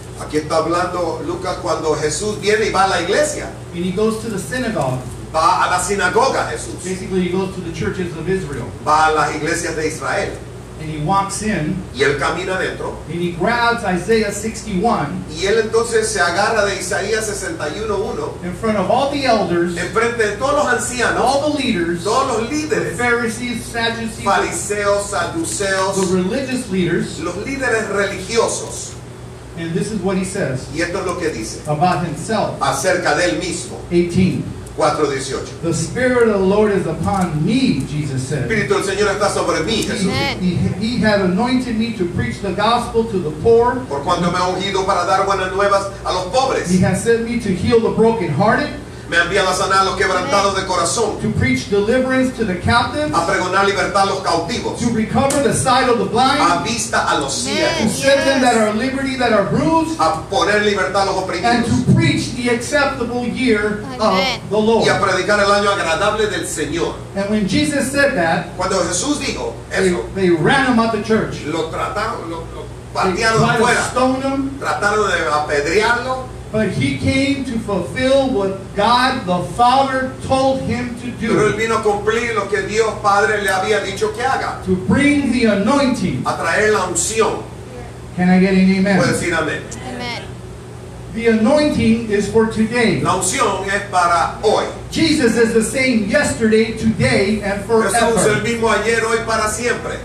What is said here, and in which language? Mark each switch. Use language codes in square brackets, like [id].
[es] Aquí está hablando Lucas cuando Jesús viene y va a la iglesia. [en] And he goes to the synagogue. [es] Va a la sinagoga Jesús. [en] Basically, he goes to the churches of Israel. [es] Va a las iglesias de Israel. [en] And he walks in. [es] Y él camina dentro. [en] And he grabs Isaiah 61. [es] Y él entonces se agarra de Isaías 61:1. [en] In front of all the elders. [es] En frente de todos los ancianos. [en] All the leaders. [es] Todos los líderes. [en] The Pharisees, Sadducees. [es] Fariseos, Saduceos. [en] The religious leaders. [es] Los líderes religiosos. [en] And this is what he says. [es] Y esto es lo que dice. [en] About himself. [es] Acerca del mismo. 18. 4:18. [en] The Spirit of the Lord is upon me, Jesus said. [es] Espíritu del Señor está sobre mí, Jesús. [en] He had anointed me to preach the gospel to the poor. [es] Por cuanto me ha ungido para dar buenas nuevas a los pobres. [en] He has sent me to heal the brokenhearted. [es] Me ha enviado a sanar a los quebrantados de corazón. [en] To preach deliverance to the captives. [es] A pregonar libertad a los cautivos. [en] To recover the sight of the blind. [es] A vista a los ciegos. [en] To set them that are liberty that are bruised. [es] A poner libertad a los oprimidos. [en] And to preach the acceptable year of the Lord. [es] Y a predicar el año agradable del Señor. [en] And when Jesus said that, [es] cuando Jesús dijo eso, [en] they ran him out the church. [es] Lo trataron, lo patearon fuera. [en] They stoned him. [es] Trataron de apedrearlo. [en] But he came to fulfill what God the Father told him to do. [es] Pero él vino a cumplir lo que Dios Padre le había dicho que haga. [en] To bring the anointing. [es] A traer la unción. [en] Can I get an amen? [es] ¿Puedo decir amén? [en] Amen. The anointing is for today. [es] La unción es para hoy. [en] Jesus is the same yesterday, today, and forever. [es] Jesús es el mismo ayer, hoy, para siempre.